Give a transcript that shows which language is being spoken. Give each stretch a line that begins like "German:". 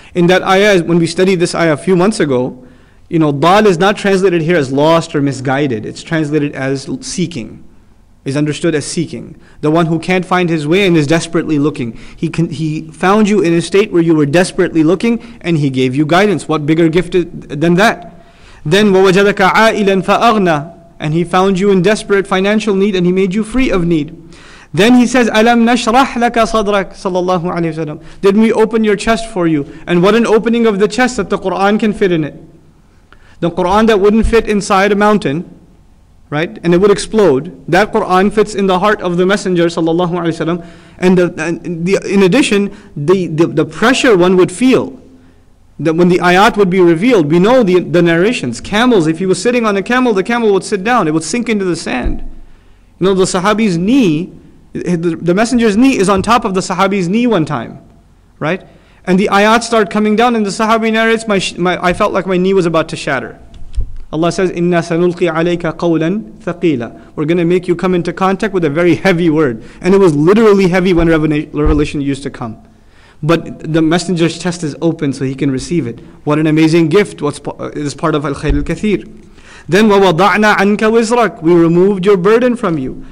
English: In that ayah, when we studied this ayah a few months ago, you know, ضال is not translated here as lost or misguided. It's translated as seeking. Is understood as seeking. The one who can't find his way and is desperately looking. He found you in a state where you were desperately looking and he gave you guidance. What bigger gift than that? Then,
Arabic: وَوَجَدَكَ عَائِلًا فَأَغْنَى.
English: And he found you in desperate financial need and he made you free of need. Then he says,
Arabic: أَلَمْ نَشْرَحْ لَكَ صَدْرَكَ sallallahu alayhi wa sallam.
English: Didn't we open your chest for you? And what an opening of the chest that the Qur'an can fit in it. The Qur'an that wouldn't fit inside a mountain, right, and it would explode. That Quran fits in the heart of the Messenger, sallallahu alaihi wasallam. And in addition, the pressure one would feel that when the ayat would be revealed. We know the narrations. Camels, if he was sitting on a camel, the camel would sit down. It would sink into the sand. You know, the Sahabi's knee, the Messenger's knee is on top of the Sahabi's knee one time, right? And the ayat start coming down, and the Sahabi narrates, "I felt like my knee was about to shatter." Allah says,
Arabic: إِنَّا سَنُلْقِي عَلَيْكَ قَوْلًا ثَقِيلًا.
English: We're going to make you come into contact with a very heavy word. And it was literally heavy when revelation used to come. But the messenger's chest is open so he can receive it. What an amazing gift. It's part of al-khayr al-kathir. Then
Arabic: وَوَضَعْنَا عَنْكَ وِزْرَكَ,
English: we removed your burden from you.